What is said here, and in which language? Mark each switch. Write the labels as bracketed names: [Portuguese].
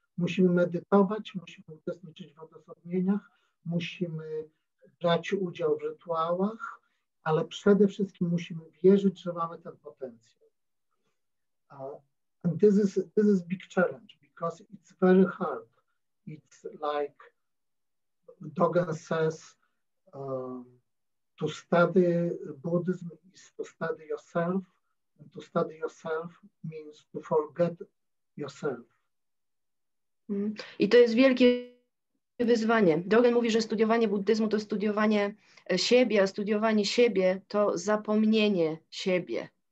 [Polish] Musimy medytować, musimy uczestniczyć w odosobnieniach, musimy brać udział w rytuałach, ale przede wszystkim musimy wierzyć, że mamy ten potencjał. [English] And this is big challenge because it's very hard. It's like Dogen says, to study Buddhism is to study yourself, and to study yourself means to forget yourself. [Polish] I to jest wielkie wyzwanie. Dogen mówi, że studiowanie buddyzmu to studiowanie siebie, a studiowanie siebie to zapomnienie siebie.